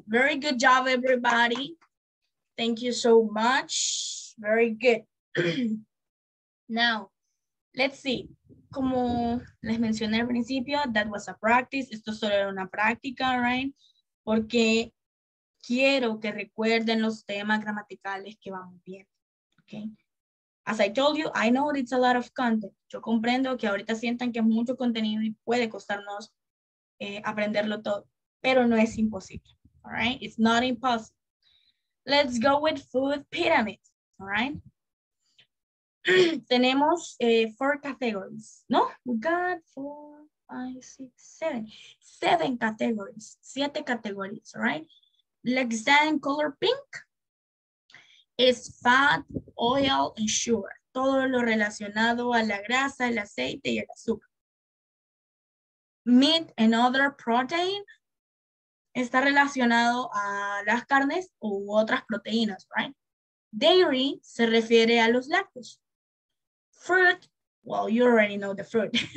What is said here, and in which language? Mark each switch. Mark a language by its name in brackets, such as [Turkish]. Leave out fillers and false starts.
[English] Very good job, everybody. Thank you so much. Very good. Now, let's see. [Spanish] Como les mencioné al principio, [English] that was a practice. [Spanish] Esto solo era una práctica, right? Porque quiero que recuerden los temas gramaticales que vamos viendo, okay? [English] As I told you, I know it's a lot of content. [Spanish] Yo comprendo que ahorita sientan que es mucho contenido y puede costarnos aprenderlo todo, pero no es imposible, all right? [English] It's not impossible. Let's go with food pyramid, all right? Tenemos four categories, ¿no? We got four. 5, 6, 7 categories. 7 categories, right? Like saying color pink is fat, oil, and sugar. [Spanish] Todo lo relacionado a la grasa, el aceite y el azúcar. [English] Meat and other protein [Spanish] está relacionado a las carnes u otras proteínas, right? [English] Dairy [Spanish] se refiere a los lácteos. [English] Fruit, well, you already know the fruit.